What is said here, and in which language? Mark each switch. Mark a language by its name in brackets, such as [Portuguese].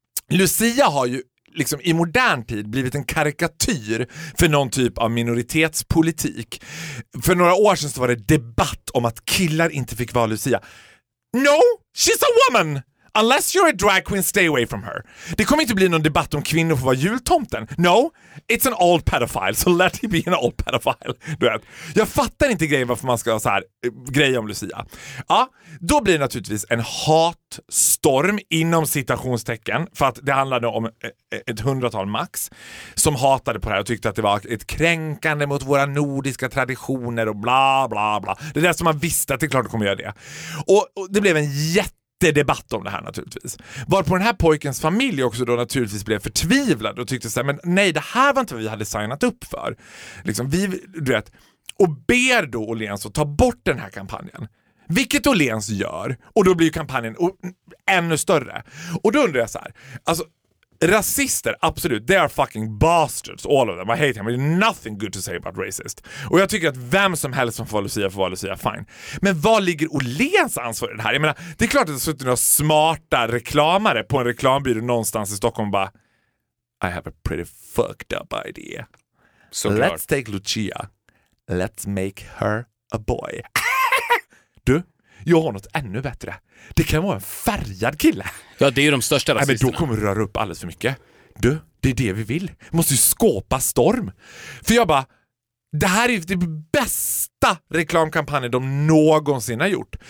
[Swedish] Lucia har ju liksom i modern tid blivit en karikatyr för någon typ av minoritetspolitik. För några år sedan så var det debatt om att killar inte fick vara Lucia. [English] No, she's a woman! Unless you're a drag queen, stay away from her. [Swedish] Det kommer inte bli någon debatt om kvinnor får vara jultomten. [English] No, it's an old pedophile, so let him be an old pedophile. [Swedish] Du vet. Jag fattar inte grejen varför man ska ha så här grej om Lucia. Ja, då blir det naturligtvis en hatstorm inom citationstecken, för att det handlade om ett hundratal max som hatade på det här och tyckte att det var ett kränkande mot våra nordiska traditioner och bla bla bla. Det är det som man visste att det klart kommer göra det. Och det blev en det är debatt om det här naturligtvis. Varpå den här pojkens familj också då naturligtvis blev förtvivlad och tyckte såhär, men nej, det här var inte vad vi hade signat upp för. Liksom, vi, du vet, och ber då Åhléns att ta bort den här kampanjen. Vilket Åhléns gör, och då blir ju kampanjen ännu större. Och då undrar jag så här, alltså, rasister, absolut, [English] they are fucking bastards, all of them. I hate him, nothing good to say about racist. [Swedish] Och jag tycker att vem som helst som får Lucia får vara Lucia, fine. Men var ligger Åhléns ansvar i det här? Jag menar, det är klart att det har suttit några smarta reklamare på en reklambyrå någonstans i Stockholm och bara, [English] I have a pretty fucked up idea. [Swedish] Så [English] let's [Swedish] klart. [English] Take Lucia, let's make her a boy. [Swedish] Du, jag har något ännu bättre. Det kan vara en färgad kille. Ja, det är ju de största rasisterna. Nej, men då kommer du röra upp alldeles för mycket. Du, det är det vi vill. Vi måste ju skapa storm. För jag bara, det här är ju det bästa reklamkampanjen de någonsin har gjort.